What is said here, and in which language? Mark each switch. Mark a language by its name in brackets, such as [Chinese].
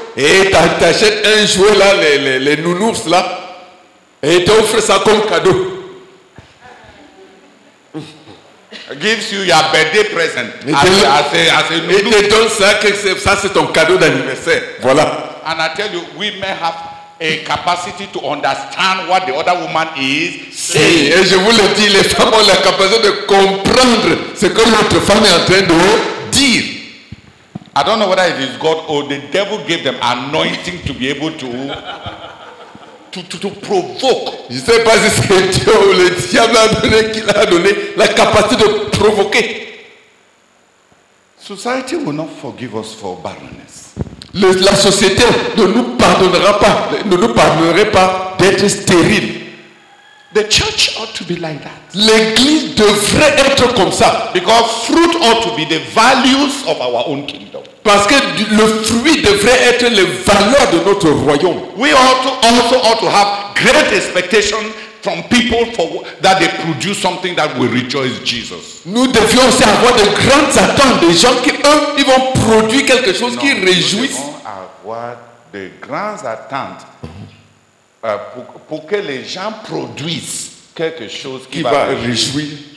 [French] Et t'achètes un jouet là, les nounours là, et t'offres ça comme cadeau. [English] Gives you your birthday present. [French] Et te donne ça, que ça c'est ton cadeau d'anniversaire. Voilà. [English] And I tell you, women have a capacity to understand what the other woman is saying. [French] Et je vous le dis, les femmes ont la capacité de comprendre ce que l'autre femme est en train de dire. [English] I don't know whether it is God or the devil gave them anointing to be able to provoke. [French] Je ne sais pas si c'est Dieu ou le diable qui l'a donné la capacité de provoquer. [English] Society will not forgive us for barrenness. [French] La société ne nous pardonnerait pas d'être stérile. [English] The church ought to be like that. [French] L'église devrait être comme ça. [English] Because fruit ought to be the values of our own kingdom. [French] Parce que le fruit devrait être les valeurs de notre royaume. [English] We ought to have great expectations from people for that they produce something that will rejoice Jesus. [French] Nous devions aussi avoir de grandes attentes des gens qui eux ils vont produire quelque chose qui réjouisse. Nous devons avoir de grandes attentes. Pour que les gens produisent quelque chose qui va réjouir.